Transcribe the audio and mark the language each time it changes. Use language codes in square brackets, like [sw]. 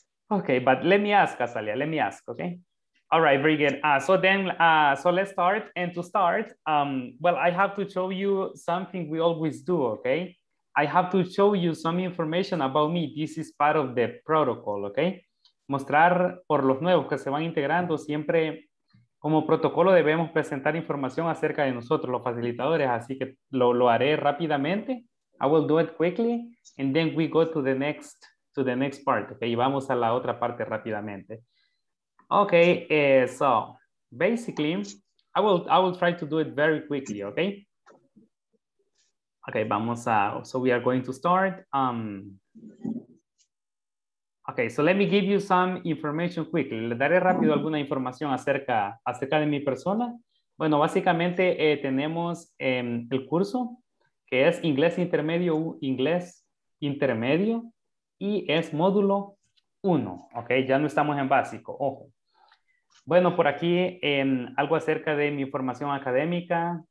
[en] Okay, but let me ask, Azalia, let me ask, okay? All right, very good. So let's start. And to start, I have to show you something we always do, okay? I have to show you some information about me. This is part of the protocol, okay? [es] Mostrar por los nuevos que se van integrando, siempre como protocolo debemos presentar información acerca de nosotros, los facilitadores, así que lo haré rápidamente. [en] I will do it quickly, and then we go to the next part, okay? [es] Y vamos a la otra parte rápidamente. [en] Okay, so basically, I will try to do it very quickly, okay? Okay, [es] vamos a, [en] so we are going to start. Okay, so let me give you some information quickly. [es] Le daré rápido alguna información acerca de mi persona. Bueno, básicamente tenemos el curso que es Inglés Intermedio y es módulo 1. Okay, ya no estamos en básico, ojo. Bueno, por aquí algo acerca de mi formación académica.